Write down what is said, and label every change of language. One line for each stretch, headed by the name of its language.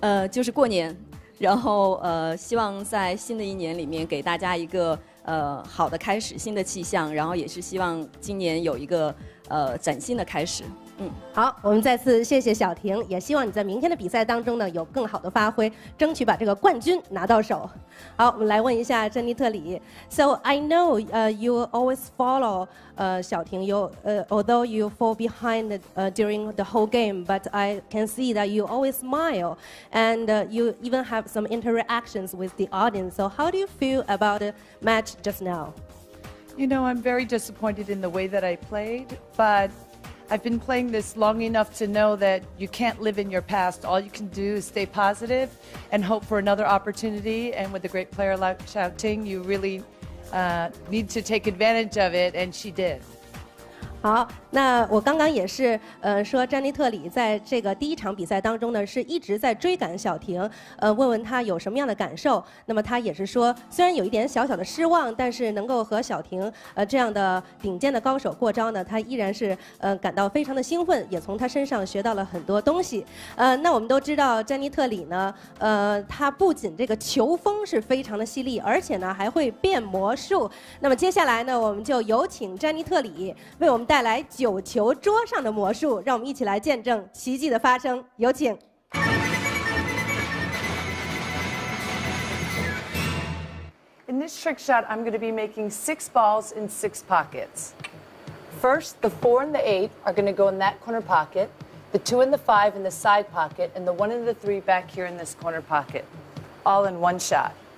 Chinese: 就是过年，然后希望在新的一年里面给大家一个好的开始，新的气象，然后也是希望今年有一个崭新的开始。好，我们再次谢谢晓婷，也希望你在明天的比赛当中呢有更好的发挥，争取把这个冠军拿到手。好，我们来问一下珍妮特里。
English: So I know you always follow 晓婷， although you fall behind during the whole game, but I can see that you always smile and you even have some interactions with the audience. So how do you feel about the match just now? You know, I'm very disappointed in the way that I played, butI've been playing this long enough to know that you can't live in your past. All you can do is stay positive and hope for another opportunity. And with a great player like Xiao Ting, you really need to take advantage of it. And she did.
Chinese: 好，那我刚刚也是说詹妮特里在这个第一场比赛当中呢是一直在追赶晓婷，问问她有什么样的感受。那么她也是说虽然有一点小小的失望，但是能够和晓婷这样的顶尖的高手过招呢，她依然是感到非常的兴奋，也从她身上学到了很多东西。那我们都知道詹妮特里呢，她不仅这个球风是非常的犀利，而且呢还会变魔术。那么接下来呢，我们就有请詹妮特里为我们带来九球桌上的魔术，让我们一起来见证奇迹的发生，有请。
English: In this trick shot, I'm going to be making six balls in six pockets. First, the four and the eight are going to go in that corner pocket, the two and the five in the side pocket, and the one and the three back here in this corner pocket, all in one shot.